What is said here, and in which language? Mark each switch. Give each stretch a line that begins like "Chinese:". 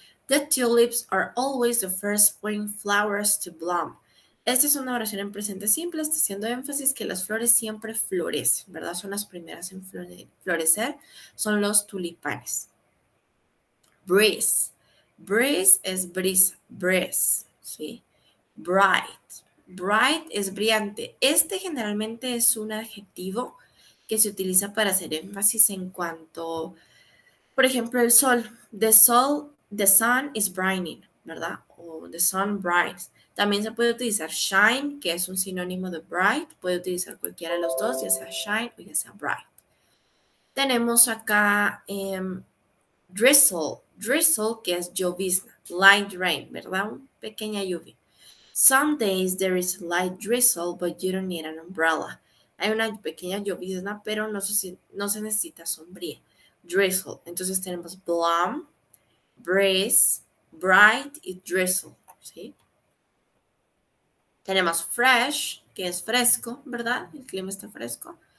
English: The tulips are always the first spring flowers to bloom.
Spanish: Esta es una oración en presente simple, está haciendo énfasis que las flores siempre florecen, ¿verdad? Son las primeras en florecer, son los tulipanes. Breeze. Breeze es brisa. Breeze. ¿Sí? Bright. Bright es brillante. Este generalmente es un adjetivo que se utiliza para hacer énfasis en cuanto, por ejemplo, el sol.
English: The sun is brightening.
Spanish: ¿verdad?
English: O the sun brights.
Spanish: También se puede utilizar shine, que es un sinónimo de bright. Puede utilizar cualquiera de los dos, ya sea shine o ya sea bright. Tenemos acá drizzle. Drizzle, que es llovizna.
English: Light rain,
Spanish: ¿verdad? Una pequeña lluvia.
English: Some days there is light drizzle, but you don't need an umbrella.
Spanish: Hay una pequeña llovizna, pero no se necesita sombría. Drizzle. Entonces tenemos blum, breeze, bright y drizzle, ¿sí? Tenemos fresh, que es fresco, ¿verdad? El clima está fresco.